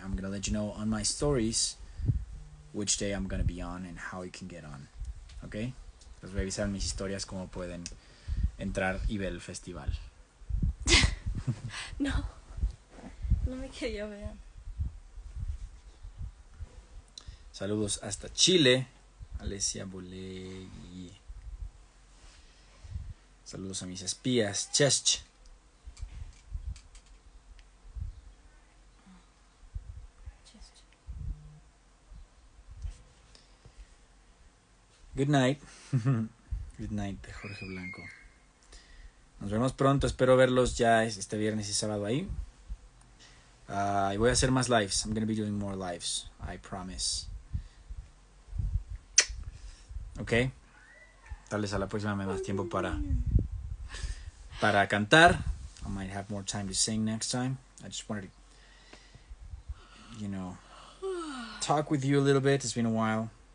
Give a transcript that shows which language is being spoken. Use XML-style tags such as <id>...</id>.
<en>I'm gonna let you know on my stories which day I'm gonna be on and how you can get on. Okay?</en> <es>Pues revisar mis historias cómo pueden entrar y ver el festival. No, no me quería ver. Saludos hasta Chile, Alessia Bulegui. Saludos a mis espías, Chesch.</es> <en>Good night. Good night,</en> <es>de Jorge Blanco. Nos vemos pronto. Espero verlos ya este viernes y sábado ahí. Y voy a hacer más lives.</es> <en>I'm gonna be doing more lives. I promise.</en> <es>Ok. Tal vez a la próxima me da más tiempo para cantar.</es> <en>I might have more time to sing next time. I just wanted to, talk with you a little bit. It's been a while.</en>